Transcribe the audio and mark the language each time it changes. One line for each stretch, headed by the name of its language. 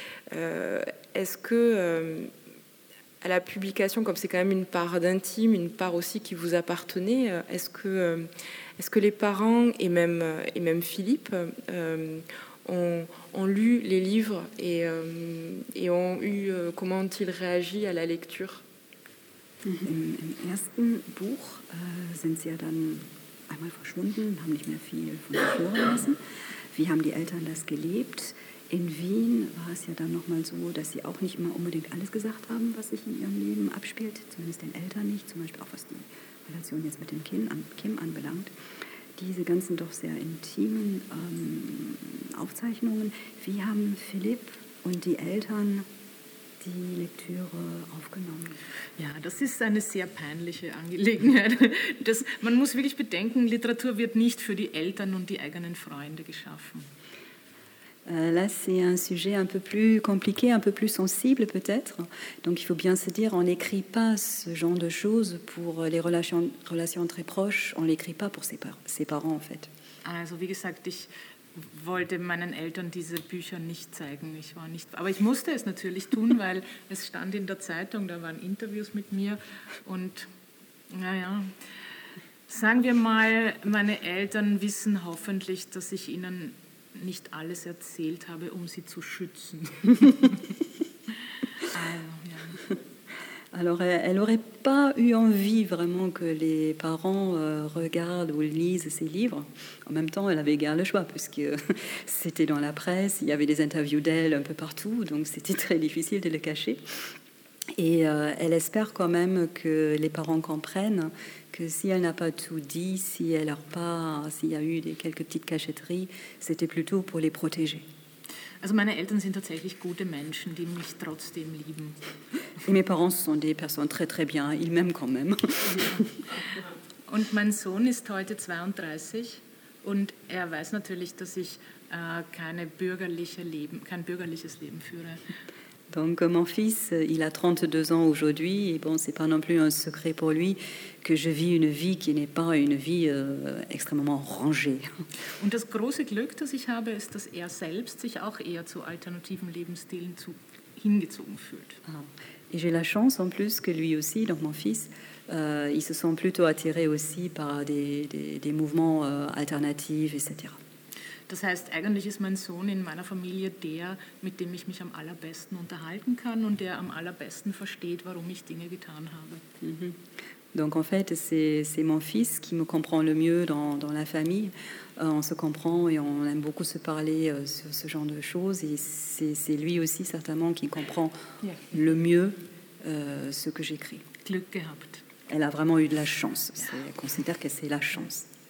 French: Est-ce que à la publication, comme c'est quand même une part d'intime, une part aussi qui vous appartenait, est-ce que les parents et même Philippe ont lu les livres et ont eu comment ont-ils réagi à la lecture?
German: Im ersten Buch sind sie ja dann einmal verschwunden, haben nicht mehr viel von sich hören lassen. Wie haben die Eltern das gelebt? In Wien war es ja dann nochmal so, dass sie auch nicht immer unbedingt alles gesagt haben, was sich in ihrem Leben abspielt, zumindest den Eltern nicht, zum Beispiel auch was die Relation jetzt mit dem Kim anbelangt. Diese ganzen doch sehr intimen Aufzeichnungen. Wie haben Philipp und die Eltern die Lektüre aufgenommen? Ja, das ist eine sehr peinliche Angelegenheit. Man muss wirklich bedenken, Literatur wird nicht für die Eltern und die eigenen Freunde geschaffen.
French: Là, c'est un sujet un peu plus compliqué, un peu plus sensible peut-être. Donc il faut bien se dire, on n'écrit pas ce genre de choses pour les relations très proches, on l'écrit pas pour ses parents en fait.
German: Also wie gesagt, ich wollte meinen Eltern diese Bücher nicht zeigen. Aber ich musste es natürlich tun, weil es stand in der Zeitung, da waren Interviews mit mir. Und naja, sagen wir mal, meine Eltern wissen hoffentlich, dass ich ihnen nicht alles erzählt habe, um sie zu schützen.
French: Alors, elle aurait pas eu envie vraiment que les parents regardent ou lisent ses livres. En même temps, elle avait guère le choix, puisque c'était dans la presse, il y avait des interviews d'elle un peu partout, donc c'était très difficile de le cacher. Et elle espère quand même que les parents comprennent que si elle n'a pas tout dit, s'il y a eu quelques petites cacheteries, c'était plutôt pour les protéger.
German: Also meine Eltern sind tatsächlich gute Menschen, die mich trotzdem lieben.
French: Et mes parents sont des personnes très très bien, ils m'aiment quand même.
German: Und mein Sohn ist heute 32 und er weiß natürlich, dass ich kein bürgerliches Leben führe.
French: Donc mon fils, il a 32 ans aujourd'hui, et bon, c'est pas non plus un secret pour lui que je vis une vie qui n'est pas une vie extrêmement rangée.
German: Und das große Glück, das ich habe, ist, dass er selbst sich auch eher zu alternativen Lebensstilen hingezogen fühlt.
French: Et j'ai la chance en plus que lui aussi, donc mon fils, il se sent plutôt attiré aussi par des mouvements alternatifs, etc.
German: Das heißt, eigentlich ist mein Sohn in meiner Familie der, mit dem ich mich am allerbesten unterhalten kann und der am allerbesten versteht, warum ich Dinge getan habe.
French: Donc en fait, c'est mon fils qui me comprend le mieux dans la famille. On se comprend et on aime beaucoup se parler sur ce genre de choses. Et c'est lui aussi certainement qui comprend le mieux ce que j'écris.
German: Glück gehabt.
French: Elle a vraiment eu de la chance. Elle considère que c'est la chance.